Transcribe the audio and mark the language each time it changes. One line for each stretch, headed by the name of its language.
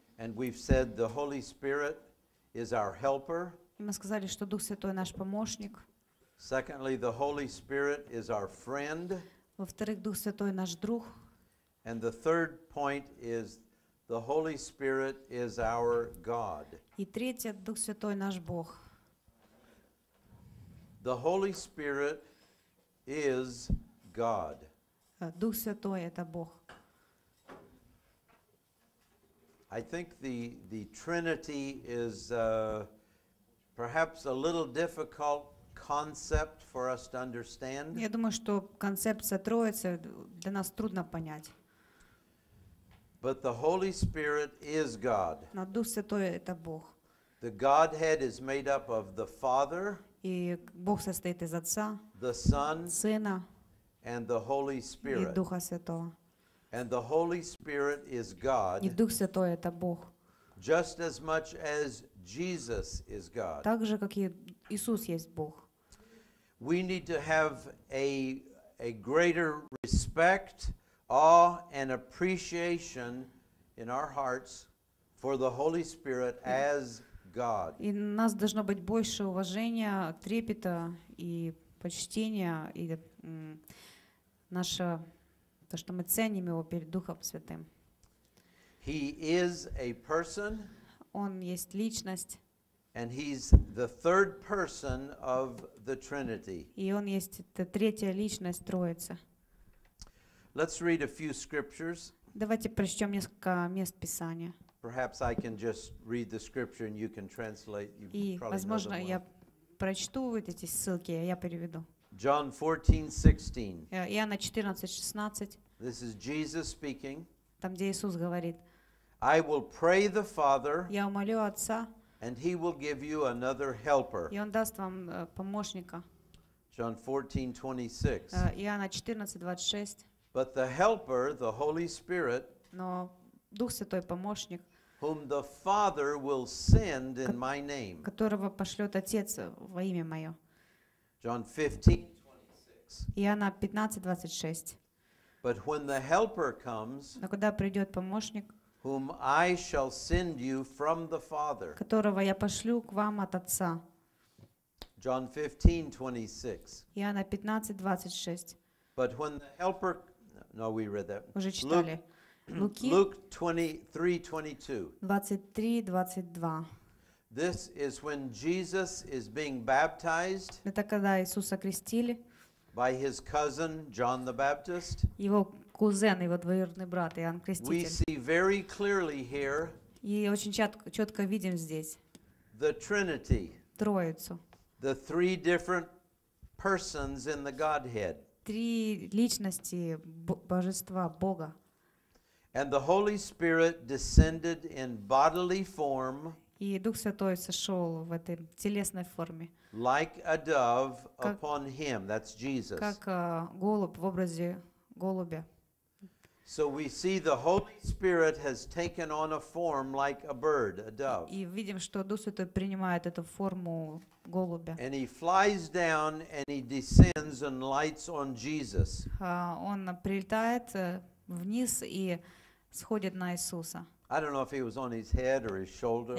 English: And we've said the Holy Spirit is our helper.
Ukrainian: Ми сказали, що Дух Святий наш помощник.
English: Secondly, the Holy Spirit is our friend.
Ukrainian: Во-вторых, Дух Святий наш друг.
English: And the third point is the Holy Spirit is our God.
Ukrainian: І третє, Дух Святий наш Бог.
English: The Holy Spirit is God.
Ukrainian: Дух Святий – це Бог.
English: I think the Trinity is perhaps a little difficult concept for us to understand.
Ukrainian: Я думаю, що концепція Троїці для нас
Russian: трудно понять.
English: But the Holy Spirit is God.
Ukrainian: Но Дух Святий – це Бог.
English: The Godhead is made up of the Father,
Ukrainian: і Бог состоїть із Отця,
English: the Son,
Ukrainian: Сина,
English: and the Holy Spirit.
Ukrainian: І Духа Святого.
English: And the Holy Spirit is God.
Ukrainian: І Дух Святий – це Бог.
English: Just as much as Jesus is God.
Ukrainian: Так же, як і Ісус є Бог.
English: We need to have a greater respect, awe, and appreciation in our hearts for the Holy Spirit as God.
Ukrainian: І у нас повинно бути більше уваження, трепета і почтення, і наше, те, що ми цінуємо його перед Духом Святим.
English: He is a person.
Russian: Он есть личность.
English: And he's the third person of the Trinity.
Russian: И он есть это третья личность Троицы.
English: Let's read a few scriptures.
Russian: Давайте прочтём несколько мест Писания.
English: Perhaps I can just read the scripture and you can translate.
Russian: И, возможно, я прочту вот эти ссылки, я переведу.
English: John 14:16.
Russian: Иоанна 14:16.
English: This is Jesus speaking.
Russian: Там, где Иисус говорит.
English: I will pray the Father.
Russian: Я умолю Отца.
English: And he will give you another helper.
Russian: И он даст вам помощника.
English: John 14:26.
Russian: Иоанна 14:26.
English: But the helper, the Holy Spirit,
Russian: но Дух Святой помощник,
English: whom the Father will send in my name.
Russian: Которого пошлёт Отец во имя моё.
English: John 15:26.
Russian: Иоанна 15:26.
English: But when the helper comes,
Russian: но когда придёт помощник,
English: whom I shall send you from the Father.
Russian: Которого я пошлю к вам от Отца.
English: John 15:26.
Russian: Иоанна 15:26.
English: But when the helper, no, we read that.
Russian: Уже читали. Луки
English: 23:22.
Russian: 23:22.
English: This is when Jesus is being baptized.
Russian: Это когда Иисуса крестили.
English: By his cousin John the Baptist.
Russian: Его кузен, его двоюродный брат Иоанн Креститель.
English: We see very clearly here.
Russian: И очень чётко видим здесь.
English: The Trinity.
Russian: Троицу.
English: The three different persons in the Godhead.
Russian: Три личности Божества Бога.
English: And the Holy Spirit descended in bodily form.
Russian: І Дух Святий сошёл в этой телесной форме.
English: Like a dove upon him. That's Jesus.
Russian: Как голубь в образе голубя.
English: So we see the Holy Spirit has taken on a form like a bird, a dove.
Ukrainian: І видим, що Дух Святий приймає
Russian: эту форму голубя.
English: And he flies down and he descends and lights on Jesus.
Russian: Он прилетает вниз
Ukrainian: і сходить на Ісуса.
English: I don't know if he was on his head or his shoulder.